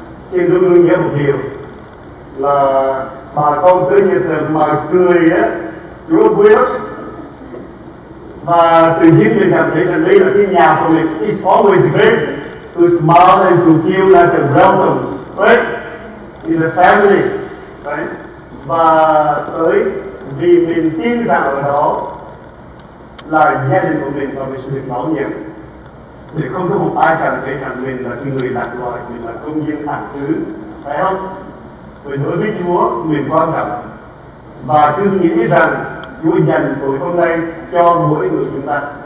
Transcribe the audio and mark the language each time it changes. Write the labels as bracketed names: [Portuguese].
[Vietnamese] xin luôn luôn nhớ một điều là bà con cứ nhiệt tình mà cười á, Chúa vui lắm. Và tự nhiên mình cảm thấy rằng đây là cái nhà của mình. [English] It's always great to smile and to feel like a welcome, right? In the family, right? [Vietnamese] Và tới vì mình tin rằng ở đó là gia đình của mình và mình sẽ được bảo nhiệm. Để không có một ai cảm thấy rằng mình là cái người lạc loài, mình là công dân hạng thứ, phải không? Vì đối với Chúa, mình quan trọng. Và cứ nghĩ rằng Chúa dành tuổi hôm nay cho mỗi người chúng ta.